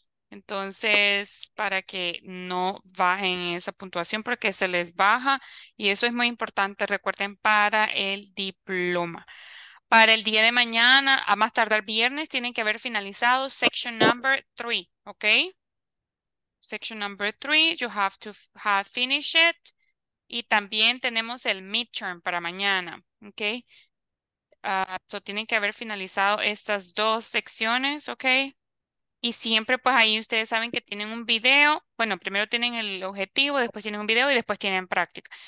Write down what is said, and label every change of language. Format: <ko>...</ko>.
<es>Entonces, para que no bajen esa puntuación, porque se les baja. Y eso es muy importante, recuerden, para el diploma. Para el día de mañana, a más tardar viernes, tienen que haber finalizado section number 3, ¿ok?</es> <en>Section number 3, you have to have finished it.</en> <es>Y también tenemos el midterm para mañana, ¿ok? So tienen que haber finalizado estas dos secciones, ¿ok? Y siempre, pues ahí ustedes saben que tienen un video. Bueno, primero tienen el objetivo, después tienen un video y después tienen práctica.</es>